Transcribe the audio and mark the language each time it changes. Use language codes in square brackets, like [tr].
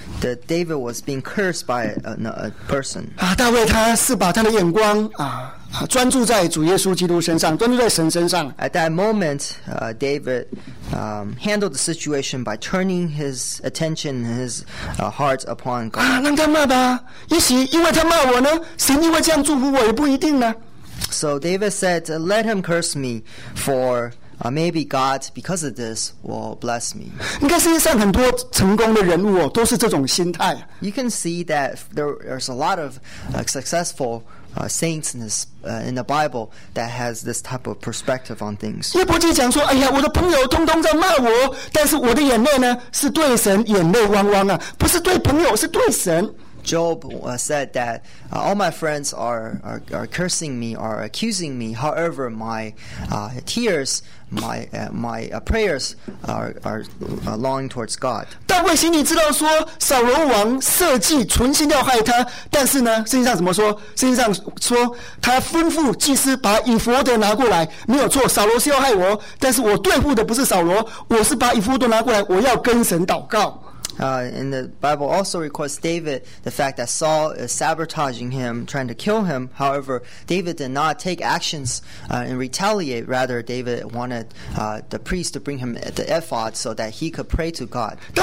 [en] That David was being cursed by a person. [zh] 大卫他是把他的眼光专注在主耶稣基督身上，专注在神身上。 [en] At that moment, David handled the situation by turning his attention, his heart upon God. [zh] 让他骂吧，也许因为他骂我呢，神因为这样祝福我也不一定呢。 [en] So David said, "Let him curse me for." Maybe God, because of this, will bless me. [zh] 你看世界上很多成功的人物哦，都是这种心态。 [en] You can see that there's a lot of successful saints in the Bible that has this type of perspective on things. [zh] 约伯记讲说，哎呀，我的朋友通通在骂我，但是我的眼泪呢，是对神眼泪汪汪啊，不是对朋友，是对神。 [en] Job said that all my friends are cursing me, are accusing me. However, my tears, my prayers are longing towards God. [zh] 大卫心里知道说扫罗王设计存心要害他，但是呢，圣经上怎么说？圣经上说他吩咐祭司把以弗的拿过来，没有错，扫罗是要害我，但是我对付的不是扫罗，我是把以弗的拿过来，我要跟神祷告。 [en] And the Bible also requests David the fact that Saul is sabotaging him, trying to kill him. However, David did not take actions and retaliate. Rather, David wanted the priest to bring him the ephod so that he could pray to God.